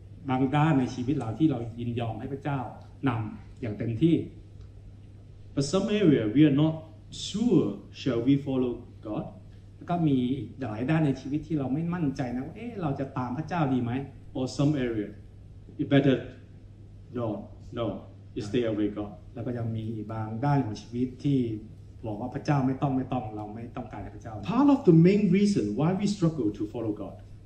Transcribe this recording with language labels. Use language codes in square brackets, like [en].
[th] บางด้านในชีวิตเราที่เรายินยอมให้พระเจ้านำอย่างเต็มที่ [en] But some area we are not sure shall we follow God [th] แล้วก็มีหลายด้านในชีวิตที่เราไม่มั่นใจนะว่าเอ๊ะเราจะตามพระเจ้าดีไหม [en] Or some area it better no it stay away God [th] แล้วก็ยังมีบางด้านของชีวิตที่บอกว่าพระเจ้าไม่ต้องเราไม่ต้องการพระเจ้า [en] Part of the main reason why we struggle to follow God